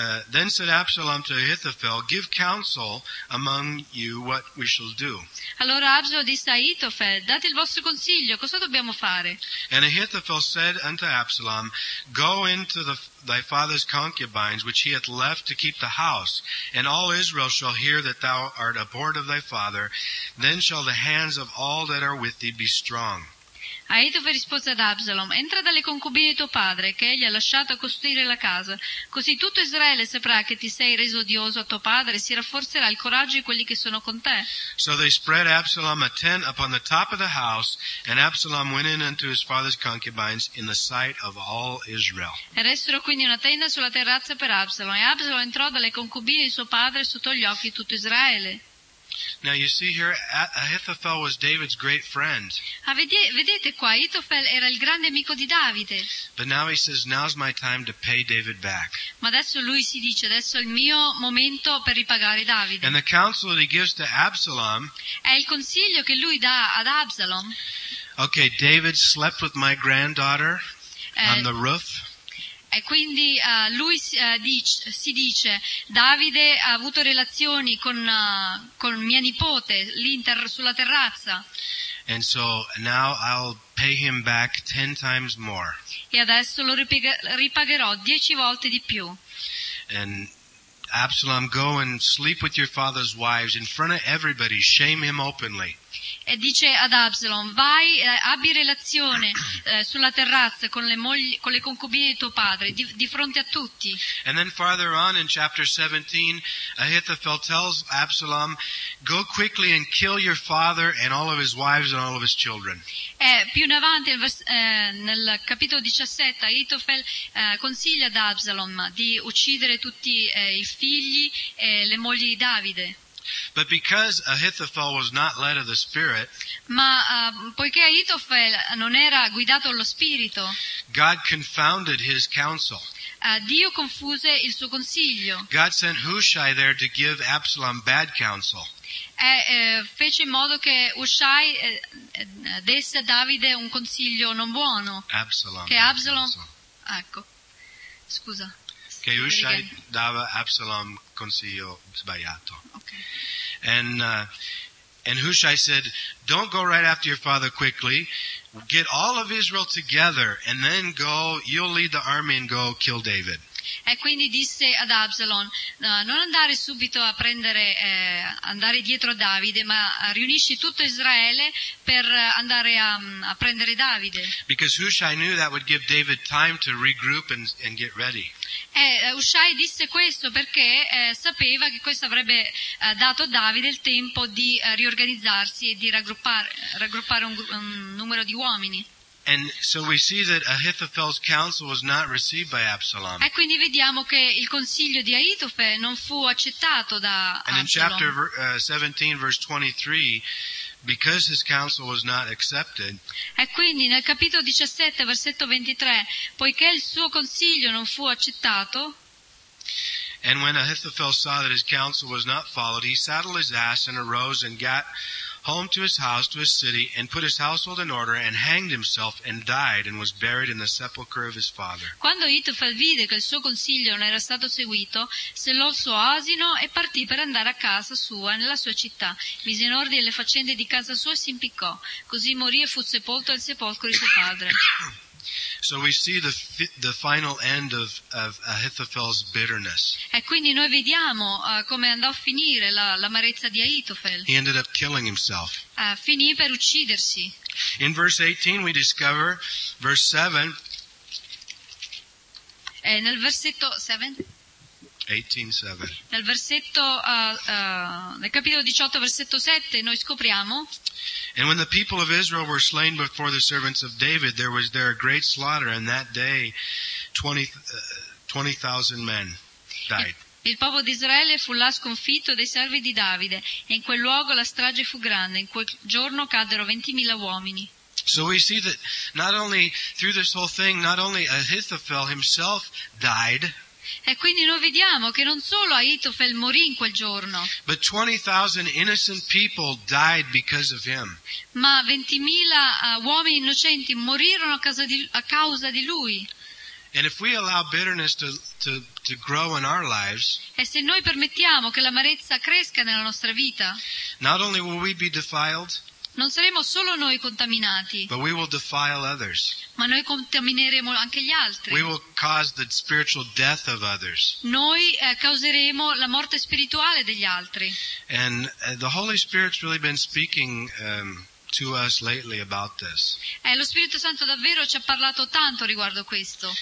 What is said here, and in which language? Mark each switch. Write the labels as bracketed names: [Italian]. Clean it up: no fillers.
[English] Then said Absalom to Ahithophel, give counsel among you what we shall do. [Italian] Allora Absalom disse a Ahitophel, date il vostro consiglio, cosa dobbiamo fare? [English] And Ahithophel said unto Absalom, go into thy father's concubines, which he hath left to keep the house, and all Israel shall hear that thou art abhorred of thy father, then shall the hands of all that are with thee be strong. [Italian] Ahitofel rispose ad Absalom, entra dalle concubine di tuo padre, che egli ha lasciato costruire la casa. Così tutto Israele saprà che ti sei reso odioso a tuo padre e si rafforzerà il coraggio di quelli che sono con te. [English] So they spread Absalom a tent upon the top of the house, and Absalom went in unto his father's concubines in the sight of all Israel. [Italian] E restero quindi una tenda sulla terrazza per Absalom, e Absalom entrò dalle concubine di suo padre sotto gli occhi di tutto Israele. [English] Now you see here, Ahithophel was David's great friend. [Italian] Vedete qua, Ahitophel era il grande amico di Davide. [English] But now he says, now's my time to pay David back. [Italian] Ma adesso lui si dice, adesso è il mio momento per ripagare Davide. [English] And the counsel that he gives to Absalom. [Italian] È il consiglio che lui dà ad Absalom. [English] Okay, David slept with my granddaughter on the roof. [Italian] E quindi lui si dice, Davide ha avuto relazioni con mia nipote lì sulla terrazza. [English] And so now I'll pay him back 10 times more. [Italian] E adesso lo ripagherò 10 volte di più. [English] And Absalom, go and sleep with your father's wives in front of everybody, shame him openly. [Italian] E dice ad Absalom, vai, abbi relazione sulla terrazza con le mogli, con le concubine di tuo padre, di fronte a tutti. [English] And then farther on in chapter 17, Ahithophel tells Absalom, go quickly and kill your father and all of his wives and all of his children. [Italian] E più in avanti, nel capitolo 17, Ahithophel consiglia ad Absalom di uccidere tutti i figli e le mogli di Davide. [English] But because Ahithophel was not led of the Spirit, [Italian] ma poiché Ahitophel non era guidato allo Spirito, [English] God confounded his counsel. [Italian] Dio confuse il suo consiglio. [English] God sent Hushai there to give Absalom bad counsel. [Italian] fece in modo che Ushai desse a Davide un consiglio non buono. [English] Absalom. [Italian] Che Absalom, ecco, scusa. Che Ushai dava Absalom consiglio sbagliato. Okay. [English] And Hushai said, don't go right after your father quickly. Get all of Israel together and then go, you'll lead the army and go kill David. [Italian] E quindi disse ad Absalom, non andare subito a prendere, andare dietro a Davide, ma riunisci tutto Israele per andare a prendere Davide. [English] Because Hushai knew that would give David time to regroup and get ready. [Italian] E Ushai disse questo perché sapeva che questo avrebbe dato a Davide il tempo di riorganizzarsi e di raggruppare un numero di uomini. [English] And so we see that Ahithophel's counsel was not received by Absalom. [Italian] E quindi vediamo che il consiglio di Ahitofe non fu accettato da Absalom. [English] And in chapter 17, verse 23, because his counsel was not accepted. [Italian] E quindi nel capitolo 17, versetto 23, poiché il suo consiglio non fu accettato. [English] And when Ahithophel saw that his counsel was not followed, he saddled his ass and arose and got home to his house, to his city, and put his household in order, and hanged himself, and died, and was buried in the sepulchre of his father. [Italian] Quando Ahitofel vide che il suo consiglio non era stato seguito, sellò il suo asino e partì per andare a casa sua, nella sua città. Mise in ordine le faccende di casa sua e si impiccò. Così morì e fu sepolto nel sepolcro di suo padre. [English] So we see the final end of Ahithophel's bitterness. [Italian] E quindi noi vediamo come andò a finire l'amarezza di Ahitofel. [English] He ended up killing himself. [Italian] Finì per uccidersi. [English] In verse 18 we discover, verse 7. [Italian] E nel versetto 7. [English] 18:7. [Italian] Nel versetto nel capitolo 18 versetto 7 noi scopriamo. [English] And when the people of Israel were slain before the servants of David, there was there a great slaughter, and that day 20,000 men died. [Italian] Il popolo di Israele fu là sconfitto dai servi di Davide, e in quel luogo la strage fu grande. In quel giorno caddero 20,000 uomini. [English] So we see that not only through this whole thing, not only Ahithophel himself died. [Italian] E quindi noi vediamo che non solo Ahitofel morì in quel giorno, [English] but 20,000 innocent people died because of him. [Italian] Ma 20,000 uomini innocenti morirono a causa di lui. [English] And if we allow bitterness to grow in our lives, [Italian] e se noi permettiamo che l'amarezza cresca nella nostra vita, [English] not only will we be defiled, [Italian] non saremo solo noi contaminati, [English] but we will defile others. [Italian] Ma noi contamineremo anche gli altri. [English] We will cause the spiritual death of others. [Italian] Noi causeremo la morte spirituale degli altri. [English] And the Holy Spirit's really been speaking to us lately about this. [Italian] Lo Spirito Santo davvero ci ha parlato tanto riguardo questo.